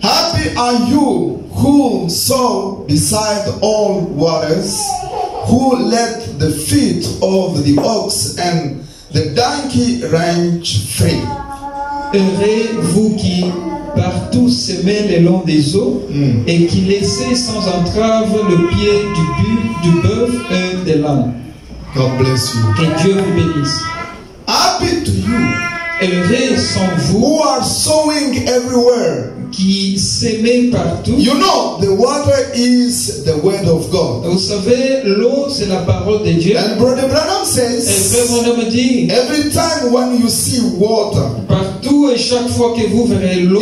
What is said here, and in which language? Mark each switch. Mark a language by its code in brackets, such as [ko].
[en] Happy are you who sow beside all waters, who let the feet of the ox and the donkey range free. [fr] Heureux vous qui partout semez le long des eaux et qui laissez sans entrave le pied du bœuf et de l'âne. [en] God bless you. [fr] Que Dieu vous bénisse. [en] Happy to you. [fr] Heureux sont vous [en] who are sowing everywhere. [fr] Qui semez partout. [en] You know, the water is the word of God. [fr] Vous savez, l'eau c'est la parole de Dieu. [en] And Brother Branham says. [fr] Et Frère Branham dit. [en] Every time when you see water. [fr] Partout et chaque fois que vous verrez l'eau.